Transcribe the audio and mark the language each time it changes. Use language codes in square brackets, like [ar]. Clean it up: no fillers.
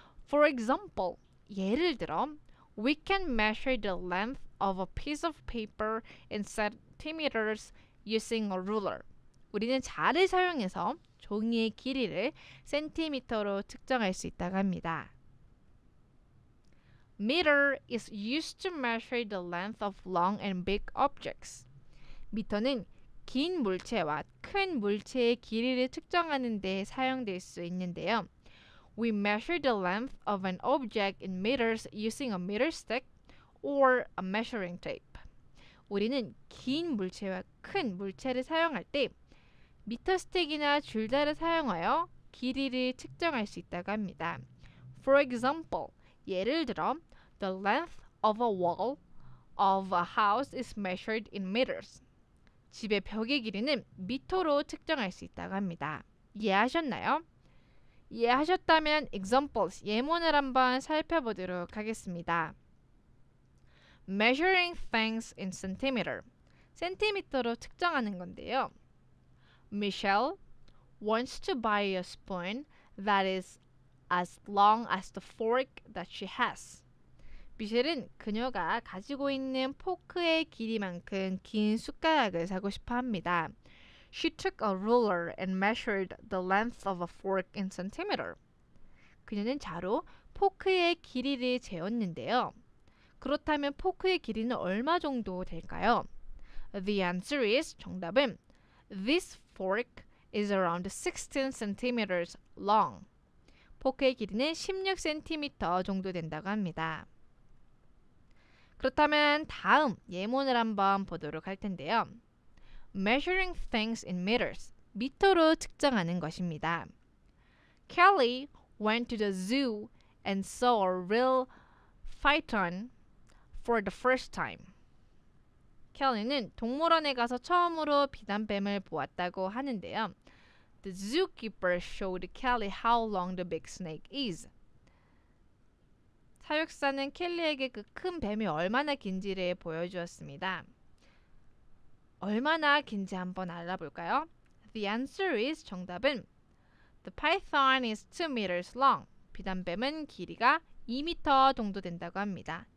[en] For example, [ko] 예를 들어, [en] we can measure the length of a piece of paper in centimeters using a ruler. [ko] 우리는 자를 사용해서 종이의 길이를 센티미터로 측정할 수 있다고 합니다. [en] Meter is used to measure the length of long and big objects. [ko] 미터는 긴 물체와 큰 물체의 길이를 측정하는 데 사용될 수 있는데요. [en] We measure the length of an object in meters using a meter stick or a measuring tape. [ko] 우리는 긴 물체와 큰 물체를 사용할 때 미터 스틱이나 줄자를 사용하여 길이를 측정할 수 있다고 합니다. [en] For example, [ko] 예를 들어, [en] the length of a wall of a house is measured in meters. [ko] 집의 벽의 길이는 미터로 측정할 수 있다고 합니다. 이해하셨나요? 이해하셨다면 examples, 예문을 한번 살펴보도록 하겠습니다. [en] Measuring things in centimeter. [ko] 센티미터로 측정하는 건데요. [en] Michelle wants to buy a spoon that is as long as the fork that she has. [ko] 미셸은 그녀가 가지고 있는 포크의 길이만큼 긴 숟가락을 사고 싶어 합니다. [en] She took a ruler and measured the length of a fork in centimeter. [ko] 그녀는 자로 포크의 길이를 재었는데요. 그렇다면 포크의 길이는 얼마 정도 될까요? [en] The answer is, [ko] 정답은 [en] This fork is around 16 centimeters long. [ko] 포크의 길이는 16cm 정도 된다고 합니다. 그렇다면 다음 예문을 한번 보도록 할 텐데요. [en] Measuring things in meters. [ko] 미터로 측정하는 것입니다. [en] Kelly went to the zoo and saw a real python for the first time. [ko] 켈리는 동물원에 가서 처음으로 비단뱀을 보았다고 하는데요. [en] The zookeeper showed Kelly how long the big snake is. [ko] 사육사는 켈리에게 그 큰 뱀이 얼마나 긴지를 보여주었습니다. 얼마나 긴지 한번 알아볼까요? [en] The answer is, [ko] 정답은 [en] The python is 2 meters long. [ko] 비단뱀은 길이가 2m 정도 된다고 합니다.